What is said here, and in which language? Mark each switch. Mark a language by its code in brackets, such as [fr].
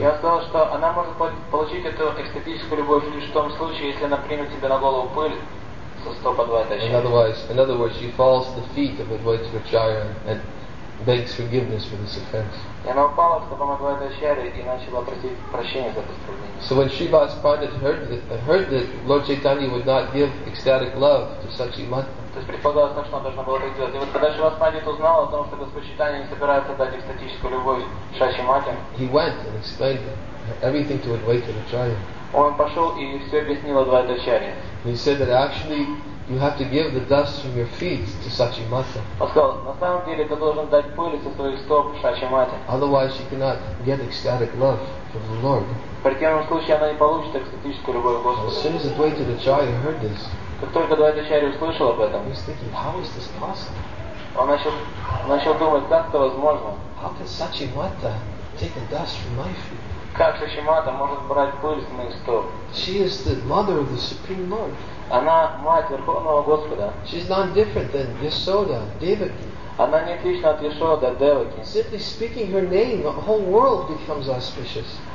[ru] Я сказал, что она может получить эту эстетическую любовь лишь в том случае, если она примет себе на голову пыль со стоп Адвайта Ачарьи. [en] In other words, she falls to the feet of Advaita Acharya and begs forgiveness for this offense. [ru] И она упала к стопам Адвайта Ачарьи и начала просить прощения за это оскорбление. [en] So when Srivas Pandit heard that Lord Chaitanya would not give ecstatic love to Сачимата. [ru] То есть предполагалось, что она должна была так делать. И вот когда Шривас Пандит узнал о том, что Господь Чайтанья не собирается дать экстатическую любовь Сачимате, [en] he went and explained everything to Advaita Acharya. [ru] Он пошел и все объяснил Адвайта Ачарье. [en] He said that actually you have to give the dust from your feet to Сачимата. [ru] Он сказал, на самом деле ты должен дать пыль со своих стоп Сачимате. [en] Otherwise she cannot get ecstatic love from the Lord. [ru] В противном случае она не получит экстатическую любовь Господа. [en] As soon as Advaita Acharya heard this, [ru] как только Адвайта Ачарья услышал об этом, [en] he's thinking, how is this possible? [ru] Он начал думать, как это возможно? [en] How can Сачимата take the dust from my feet? [ru] Как Сачимата может брать пыль с моих стоп? [en] She is the mother of the Supreme Lord. [ru] Она мать Верховного Господа. [en] She's not different than Yasoda, Devaki. [ru] Она не отлична от Yasoda, Devaki. [en] Simply speaking her name, the whole world becomes auspicious.